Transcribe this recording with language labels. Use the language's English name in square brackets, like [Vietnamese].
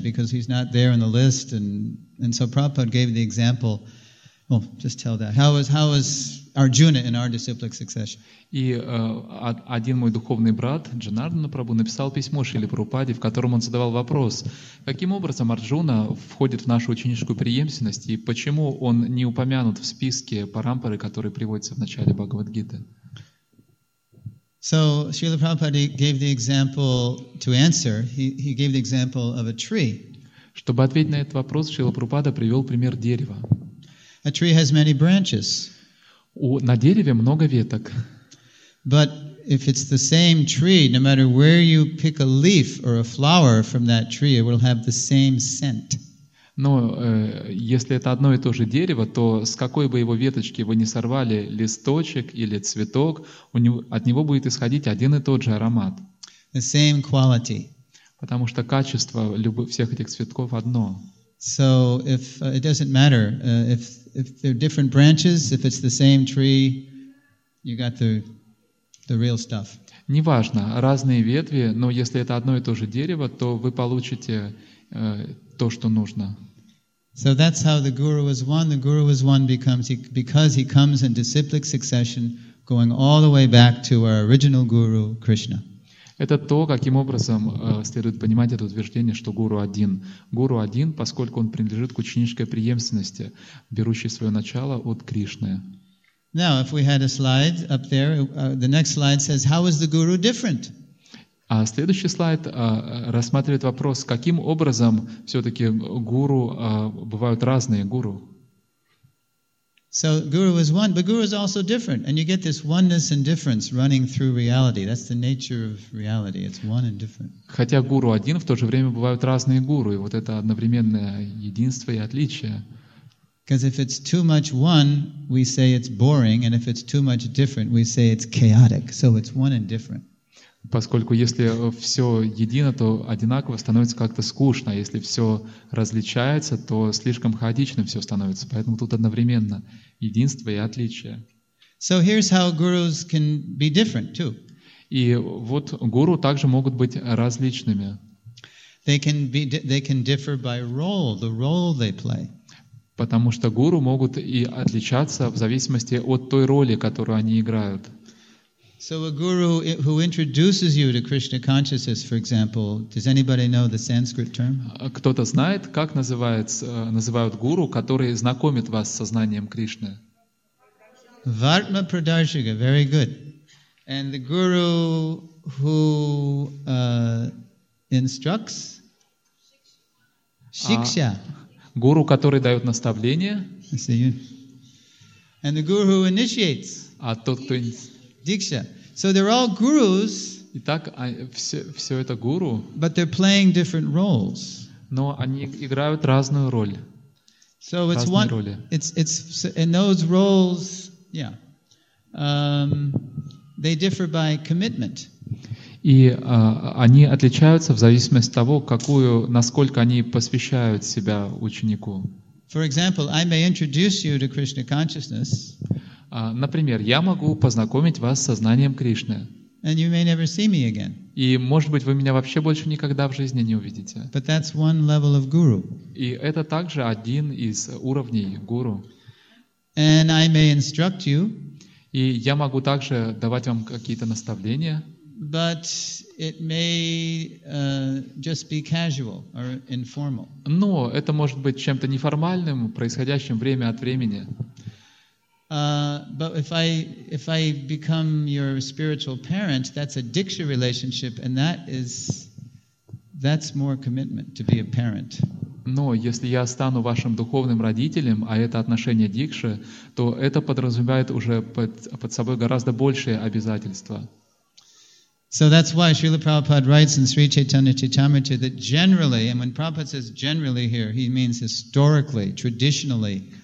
[English] Because he's not there in the list, and so Prabhupada gave the example. Well, just tell that. How is Arjuna in our disciplic succession? [Russian] И один мой духовный брат Джанардана Прабху написал письмо Шриле Прабхупаде, в котором он задавал вопрос: каким образом Арджуна входит в нашу ученическую преемственность и почему он не упомянут в списке парампары, который приводится в начале Бхагавадгиты? [English] So Srila Prabhupada gave the example to answer. He gave the example of a tree. [Russian] Чтобы ответить на этот вопрос, Шрила Прабхупада привел пример дерева. [English] A tree has many branches. [Russian] На дереве много веток. [English] But if it's the same tree, no matter where you pick a leaf or a flower from that tree, it will have the same scent. [Russian] Но если это одно и то же дерево, то с какой бы его веточки вы ни сорвали листочек или цветок, от него будет исходить один и тот же аромат. [English] The same quality. [Russian] Потому что качество всех этих цветков одно. [English] So if it doesn't matter if they're different branches, if it's the same tree, you got the real stuff. [Russian] Неважно, разные ветви, но если это одно и то же дерево, то вы получите то, что нужно. [English] So that's how the guru is one. The guru is one because he comes in disciplic succession, going all the way back to our original guru, Krishna. [Russian] Это то, каким образом следует понимать это утверждение, что гуру один. Гуру один, поскольку он принадлежит к ученической преемственности, берущей свое начало от Кришны. [English] Now, if we had a slide up there, the next slide says, how is the guru different? [Russian] А следующий слайд рассматривает вопрос, каким образом все-таки гуру бывают разные гуру. [English] So guru is one, but guru is also different, and you get this oneness and difference running through reality. That's the nature of reality. It's one and different. [Russian] Хотя гуру один, в то же время бывают разные гуру, и вот это одновременное единство и отличие. [English] Because if it's too much one, we say it's boring, and if it's too much different, we say it's chaotic. So it's one and different. [Russian] Поскольку если все едино, то одинаково становится как-то скучно. Если все различается, то слишком хаотично все становится. Поэтому тут одновременно единство и отличие. [English] So here's how gurus can be different too. [Russian] И вот гуру также могут быть различными. [English] They can differ by role, the role they play. [Russian] Потому что гуру могут и отличаться в зависимости от той роли, которую они играют. [English] So a guru who introduces you to Krishna consciousness, for example, does anybody know the Sanskrit term? [Russian] Кто-то знает, как называют гуру, который знакомит вас с сознанием Кришны? [English] Vartma Pradarshika, very good. And the guru who instructs? Shiksha. [Russian] Гуру, который дает наставление. [English] And the guru who initiates. [Russian] А тот, кто... [English] Диксха. So they're all gurus. [Russian] Итак, все это гуру. [English] But they're playing different roles. [Russian] Но они играют разную роль. [English] So it's one. [Russian] Роли. [English] It's in those roles. Yeah. They differ by commitment. [Russian] И они отличаются в зависимости от того, насколько они посвящают себя ученику. [English] For example, I may introduce you to Krishna consciousness. [Russian] Например, я могу познакомить вас с сознанием Кришны. [English] And you may never see me again. [Russian] И, может быть, вы меня вообще больше никогда в жизни не увидите. [English] But that's one level of guru. [Russian] И это также один из уровней гуру. [English] And I may instruct you. [Russian] И я могу также давать вам какие-то наставления. [English] But it may just be casual or informal. [Russian] Но это может быть чем-то неформальным, происходящим время от времени. [English] But if I become your spiritual parent, that's a diksha relationship, and that's more commitment to be a parent. [Russian] Но если я стану вашим духовным родителем, а это отношение дикши, то это подразумевает уже под собой гораздо большие обязательства. [English] So that's why Srila Prabhupada writes in Sri Chaitanya Charitamrita that generally, and when Prabhupada says generally here, he means historically, traditionally.